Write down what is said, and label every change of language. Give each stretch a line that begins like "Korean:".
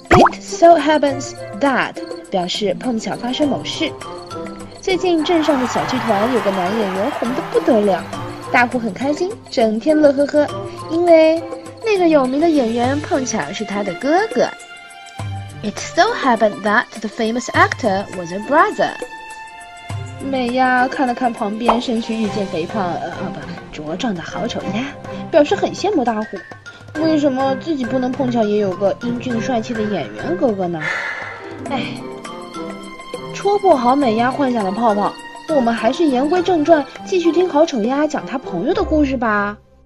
English: It so happens that
Chinese: 表示碰巧发生某事。最近镇上的小剧团有个男演员红得不得了，大伙很开心，整天乐呵呵，因为那个有名的演员碰巧是他的哥哥。
English: It so happened that the famous actor was a brother.
Chinese: 美呀看了看旁边身躯日渐肥胖茁壮的好丑鸭，表示很羡慕大伙，为什么自己不能碰巧也有个英俊帅气的演员哥哥呢？戳破好美鸭幻想的泡泡，我们还是言归正传，继续听好丑鸭讲他朋友的故事吧。